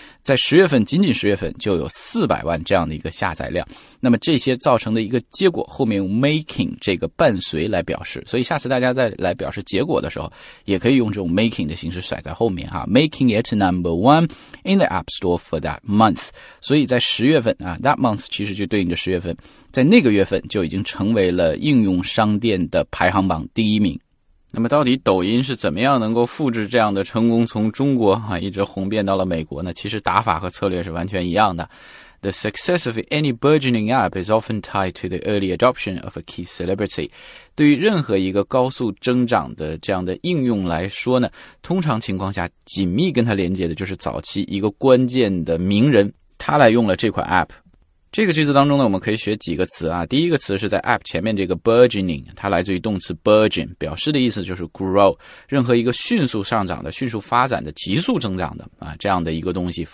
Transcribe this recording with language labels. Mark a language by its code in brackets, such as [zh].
[zh] 在10月份仅仅10月份就有400万这样的一个下载量，那么这些造成的一个结果后面用 making 这个伴随来表示，所以下次大家再来表示结果的时候也可以用这种 making 的形式甩在后面啊， [en] making it number one in the app store for that month， [zh] 所以在10月份啊， that month 其实就对应着10月份，在那个月份就已经成为了应用商店的排行榜第一名。那么到底抖音是怎么样能够复制这样的成功，从中国啊一直红遍到了美国呢？其实打法和策略是完全一样的。 [en] The success of any burgeoning app is often tied to the early adoption of a key celebrity. [zh] 对于任何一个高速增长的这样的应用来说呢，通常情况下紧密跟它连接的就是早期一个关键的名人，他来用了这款 app。这个句子当中呢，我们可以学几个词啊。第一个词是在 app 前面这个 burgeoning， 它来自于动词 burgeon， 表示的意思就是 grow， 任何一个迅速上涨的、迅速发展的、急速增长的啊这样的一个东西。